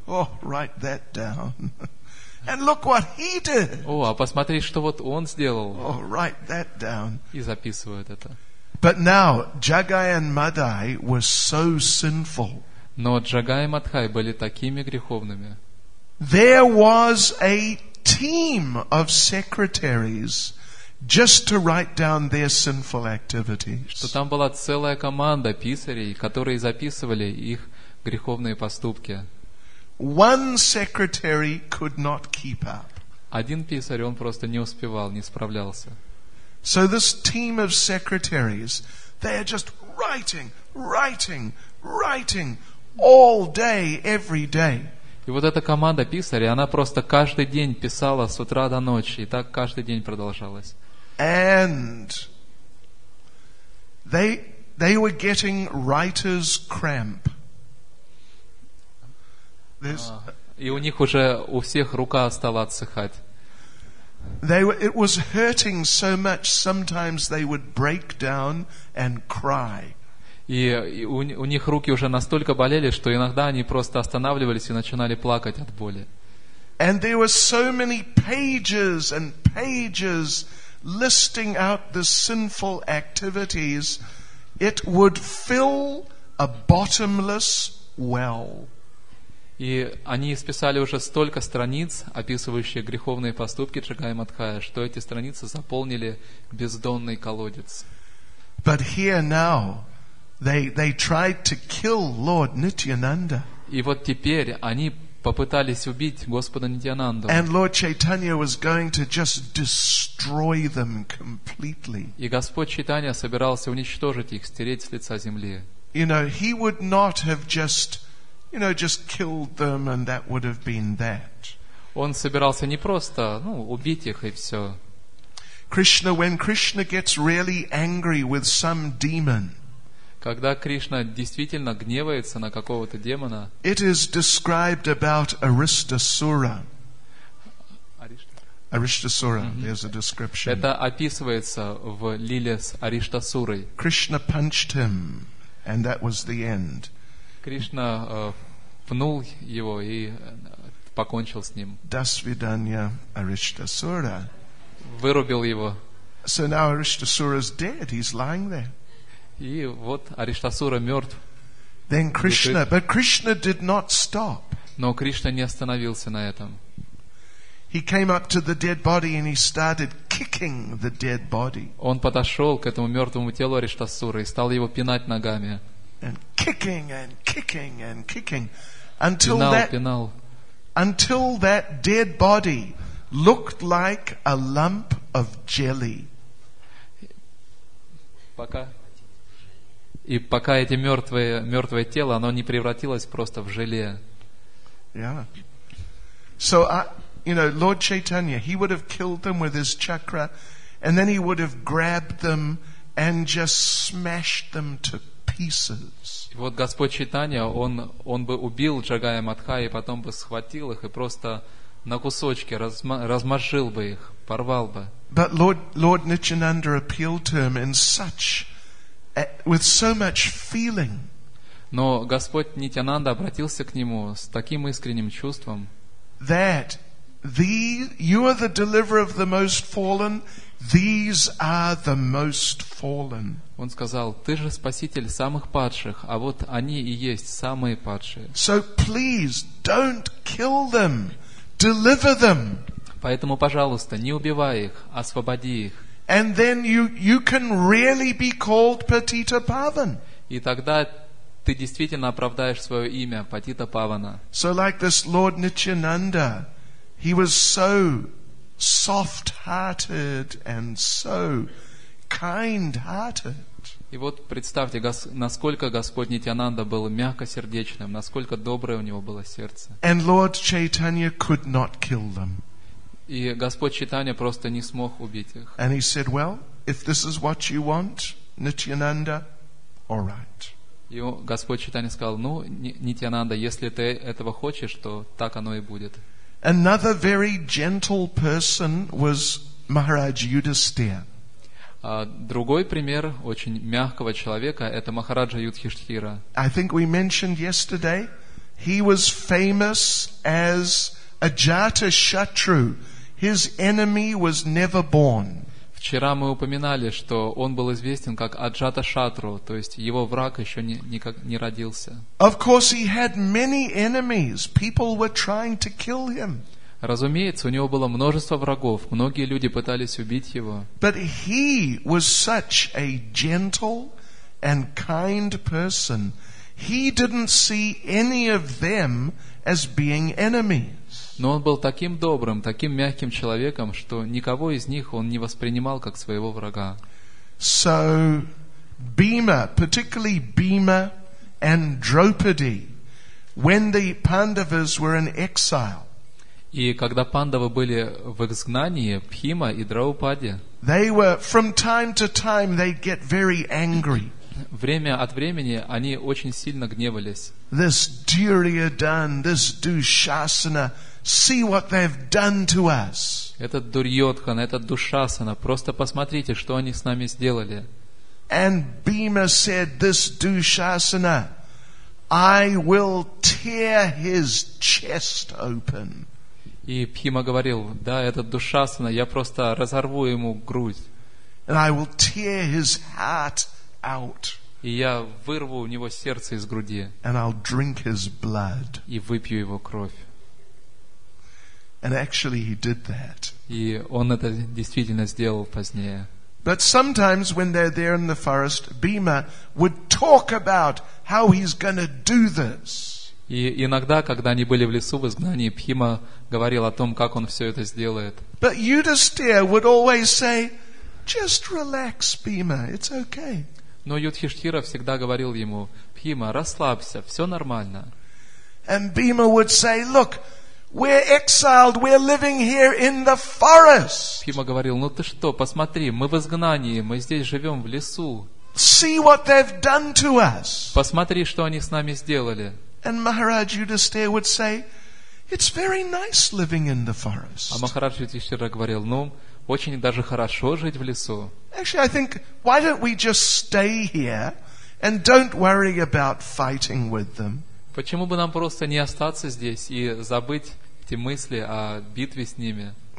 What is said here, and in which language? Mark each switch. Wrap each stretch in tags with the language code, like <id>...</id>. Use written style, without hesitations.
<en>Oh, write that down. And look what he did.</en> <ru>О, а посмотри, что вот он сделал.</ru> <en>Oh, write that down.</en> <ru>И записывают это.</ru> <en>But now Jagayan Madai was so sinful.</en> <ru>Но Джагай и Мадхай были такими греховными.</ru> <en>There was a team of secretaries just to write down their sinful activities.</en> <ru>Что там была целая команда писарей, которые записывали их греховные поступки.</ru> <en>One secretary could not keep up.</en> <ru>Один писарь, он просто не успевал, не справлялся.</ru> <en>So this team of secretaries, they are just writing, writing, writing. All day, every day.</en> <ru>И вот эта команда писарей, она просто каждый день писала с утра до ночи, и так каждый день продолжалось.</ru> <en>And they were getting writer's cramp.</en> <ru>И у них уже у всех рука стала отсыхать.</ru> <en>It was hurting so much. Sometimes they would break down and cry.</en> <ru>И у них руки уже настолько болели, что иногда они просто останавливались и начинали плакать от боли.</ru> <en>And there were so many pages and pages listing out the sinful activities, it would fill a bottomless well.</en> <ru>И они списали уже столько страниц, описывающих греховные поступки Чагая Мадхая, что эти страницы заполнили бездонный колодец.</ru> <en>But here now, they tried to kill Lord Nityananda.</en> <ru>И вот теперь они попытались убить Господа Нитьянанду.</ru> <en>And Lord Chaitanya was going to just destroy them completely.</en> <ru>И Господь Чайтанья собирался уничтожить их, стереть с лица земли.</ru> <en>You know, he would not have just, you know, just killed them and that would have been that.</en> <ru>Он собирался не просто, ну, убить их и все.</ru> <en>Krishna, when Krishna gets really angry with some demon,</en> <ru>когда Кришна действительно гневается на какого-то демона,</ru> <en>it is described about Aristasura. Aristasura, there's a description.</en> <ru>Это описывается в лиле с Ариштасурой.</ru> <en>Krishna punched him, and that was the end.</en> <ru>Кришна пнул его и покончил с ним. Dasvidanya Aristasura. Вырубил его.</ru> <en>So now Aristasura is dead. He's lying there.</en> <ru>И вот Ариштасура мертв.</ru> <en>Then Krishna, but Krishna did not stop.</en> <ru>Но Кришна не остановился на этом.</ru> <en>He came up to the dead body and he started kicking the dead body.</en> <ru>Он подошел к этому мертвому телу Ариштасуры и стал его пинать ногами.</ru> <en>And kicking and kicking and kicking until that dead body looked like a lump of jelly.</en> <ru>Пока. И пока эти мертвое тело, оно не превратилось просто в желе.</ru> <en>Yeah. So, you know, Lord Chaitanya, he would have killed them with his chakra, and then he would have grabbed them and just smashed them to pieces.</en> <ru>И вот Господь Чайтанья, он бы убил Джагая Мадхая, и потом бы схватил их и просто на кусочки размозжил бы их, порвал бы.</ru> <en>But Lord Nityananda appealed to him in such with so much feeling.</en> <ru>Но Господь Нитянанда обратился к нему с таким искренним чувством.</ru> <en>That you are the deliverer of the most fallen. These are the most fallen.</en> <ru>Он сказал: "Ты же спаситель самых падших, а вот они и есть самые падшие."</ru> <en>So please don't kill them. Deliver them.</en> <ru>Поэтому, пожалуйста, не убивай их, освободи их.</ru> <en>And then you can really be called Patita Pavan.</en> <ru>И тогда ты действительно оправдаешь свое имя Патита Павана.</ru> <en>So like this Lord Nityananda, he was so soft-hearted and so kind-hearted.</en> <ru>И вот представьте, насколько Господь Нитьянанда был мягкосердечным, насколько доброе у него было сердце.</ru> <en>And Lord Chaitanya could not kill them.</en> <ru>И Господь Чайтанья просто не смог убить их.</ru> <en>And he said, well, if this is what you want, Nityananda, all right.</en> <ru>И Господь Чайтанья сказал: ну, Нитьянанда, если ты этого хочешь, то так оно и будет.</ru> <en>Another very gentle person was Maharaj Yudhisthira.</en> <ru>Другой пример очень мягкого человека — это Махараджа Юдхиштхира.</ru> <en>I think we mentioned yesterday, he was famous as Ajatashatru. His enemy was never born.</en> <ru>Вчера мы упоминали, что он был известен как Аджатшатру, то есть его враг еще не родился.</ru> <en>Of course, he had many enemies. People were trying to kill him.</en> <ru>Разумеется, у него было множество врагов. Многие люди пытались убить его.</ru> <en>But he was such a gentle and kind person. He didn't see any of them as being enemies.</en> <ru>Но он был таким добрым, таким мягким человеком, что никого из них он не воспринимал как своего врага.</ru> <en>So, Bhima, particularly Bhima and Draupadi, When the Pandavas were in exile,</en> <ru>и когда пандавы были в изгнании, Бхима и Драупади,</ru> <en>they were, from time to time, they get very angry.</en> <ru>Время от времени они очень сильно гневались.</ru> <en>This Duryodhan, this Dushasana, see what they've done to us.</en> <ru>Этот Дурьотхан, этот Душасана, просто посмотрите, что они с нами сделали.</ru> <en>And Bhima said, this Dushasana, I will tear his chest open.</en> <ru>И Бхима говорил, да, этот Душасана, я просто разорву ему грудь.</ru> <en>And I will tear his heart out.</en> <ru>И я вырву у него сердце из груди.</ru> <en>And I'll drink his blood.</en> <ru>И выпью его кровь.</ru> <en>And actually he did that.</en> <ru>И он это действительно сделал позднее.</ru> <en>But sometimes when they're there in the forest, Bhima would talk about how he's going to do this.</en> <ru>И иногда, когда они были в лесу в изгнании, Бхима говорил о том, как он все это сделает.</ru> <en>But Yudhishthira would always say, "Just relax, Bhima. It's okay."</en> <ru>Но Юдхиштхира всегда говорил ему: "Бхима, расслабься, все нормально."</ru> <en>And Bhima would say, "Look, we're exiled. We're living here in the forest."</en> <ru>Бхима говорил: "Ну ты что, посмотри, мы в изгнании, мы здесь живем в лесу."</ru> <en>See what they've done to us.</en> <ru>Посмотри, что они с нами сделали.</ru> <en>And Maharaj Yudhishthira would say, "It's very nice living in the forest."</en> <ru>А Махарадж Юдхиштхира говорил: "Ну, очень даже хорошо жить в лесу."</ru> <en>Actually, I think, why don't we just stay here and don't worry about fighting with them?</en> <ru>Почему бы нам просто не остаться здесь и забыть эти мысли о битве с ними?</ru>